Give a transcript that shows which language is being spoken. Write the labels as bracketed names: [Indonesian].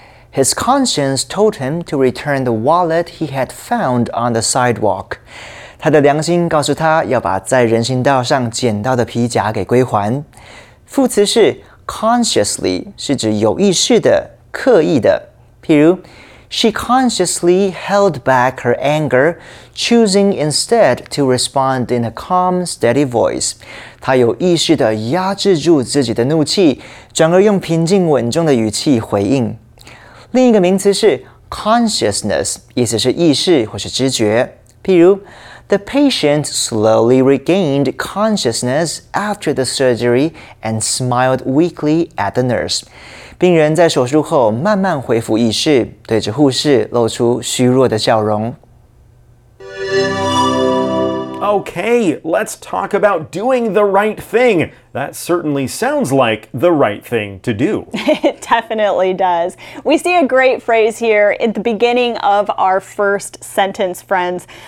[English] His conscience told him to return the wallet he had found on the sidewalk. [Chinese] 他的良心告诉他要把在人行道上捡到的皮夹给归还。副词是 consciously, 是指有意识的、刻意的。 [English] 譬如 She consciously held back her anger, choosing instead to respond in a calm, steady voice. [Chinese] 她有意识地压制住自己的怒气，转而用平静稳重的语气回应。另一个名词是 consciousness, 意思是意识或是知觉。 [English] 譬如 The patient slowly regained consciousness after the surgery and smiled weakly at the nurse. [Chinese] 病人在手术后慢慢恢复意识，对着护士露出虚弱的笑容。 [English] Okay, let's talk about doing the right thing. That certainly sounds like the right thing to do. It definitely does. We see a great phrase here at the beginning of our first sentence, friends.